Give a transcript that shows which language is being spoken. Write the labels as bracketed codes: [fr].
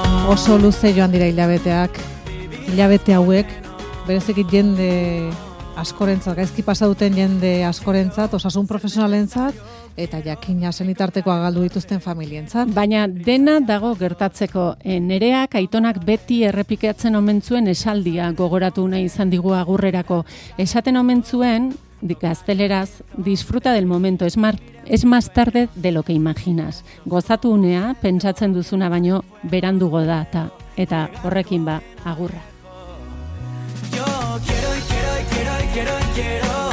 [eu] Oso luze joan dira hilabeteak, hilabete hauek, berezekit jende askorentzat, gaizki pasaduten jende askorentzat, osasun profesionalentzat, eta jakina senitartekoa galdu dituzten familientzat. Baina dena dago gertatzeko, Nereak aitonak beti errepikatzen omentzuen esaldia gogoratu nahi izan digu agurrerako. Esaten omentzuen, gazteleraz, [es] disfruta del momento, es más tarde de lo que imaginas. [eu] Gozatu unea, pentsatzen duzuna baino, berandugo da, ta, eta horrekin ba, agurra. [es] Yo quiero, quiero, quiero, quiero, quiero.